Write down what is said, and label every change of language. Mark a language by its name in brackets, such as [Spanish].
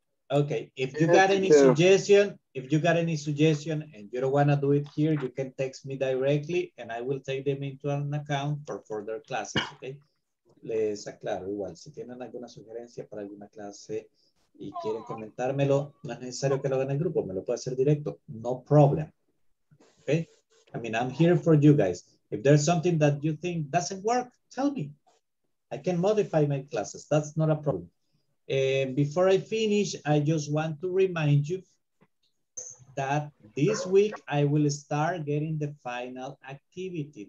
[English] Okay, if you got any suggestion, and you don't want to do it here, you can text me directly and I will take them into an account for further classes, okay? [Spanish] Les aclaro igual, si tienen alguna sugerencia para alguna clase y quieren comentármelo, no es necesario que lo hagan en el grupo, me lo puede hacer directo, [English] no problem, okay? I mean, I'm here for you guys. If there's something that you think doesn't work, tell me. I can modify my classes, that's not a problem. And before I finish, I just want to remind you that this week I will start getting the final activity.